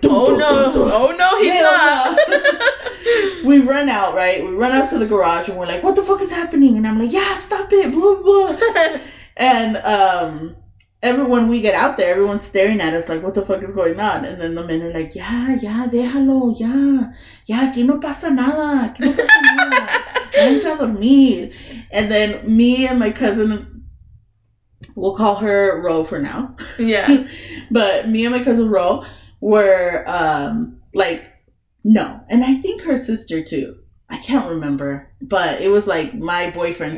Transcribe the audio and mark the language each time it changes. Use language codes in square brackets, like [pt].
[en] oh no, he's not. We run out, right? We run out to the garage and we're like, what the fuck is happening? And I'm like, yeah, stop it, blah, blah. And everyone, we get out there, everyone's staring at us like, what the fuck is going on? And then the men are like, yeah, yeah, [es] déjalo, [en] yeah. [es] Yeah, aquí no pasa nada, aquí no pasa nada. Vente a dormir. [en] And then me and my cousin, we'll call her Ro for now. Yeah. But me and my cousin Ro were like, no. And I think her sister too. I can't remember. But it was like my boyfriend.